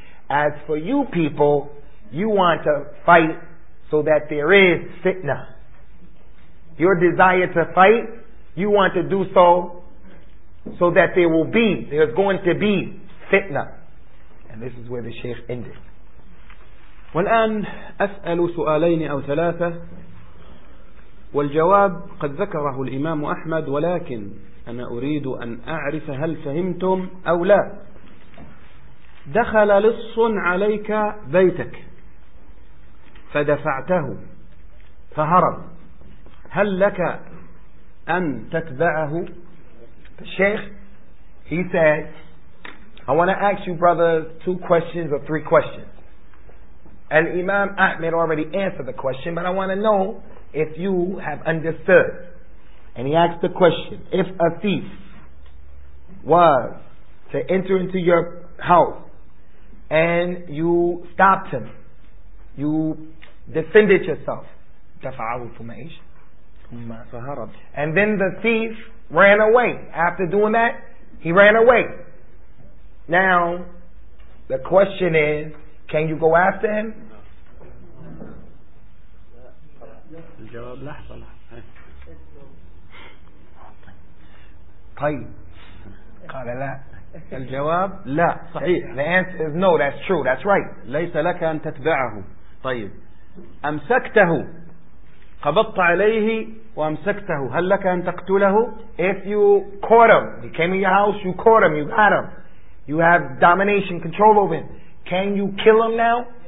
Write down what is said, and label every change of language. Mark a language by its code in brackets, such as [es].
[en] As for you people, you want to fight so that there is fitna. Your desire to fight, you want to do so that there's going to be fitna. And this is where the Shaykh ended. [ar] والآن أسأل سؤالين أو ثلاثة والجواب قد ذكره الإمام أحمد ولكن أنا أريد أن أعرف هل فهمتم أو لا. دخل لص عليك بيتك فدفعته فهرب، هل لك أن تتبعه؟ [en] The Sheikh, he said, I want to ask you brothers two questions or three questions. Al-Imam Ahmed already answered the question, but I want to know if you have understood. And he asked the question, if a thief was to enter into your house and you stopped him, you defended yourself, [ar] تفعه ثم إيش ثم فهرب, [en] and then the thief ran away. After doing that, he ran away. Now the question is, can you go after him? [ar] الجواب لحظة طيب قال لا الجواب لا صحيح. [en] The answer is no, that's true, that's right. [ar] ليس لك أن تتبعه. طيب أمسكته قبضت عليه وأمسكته هل لك أن تقتله؟ [en] If you caught him, he came to your house, you caught him, you got him, you have domination, control over him, can you kill him now?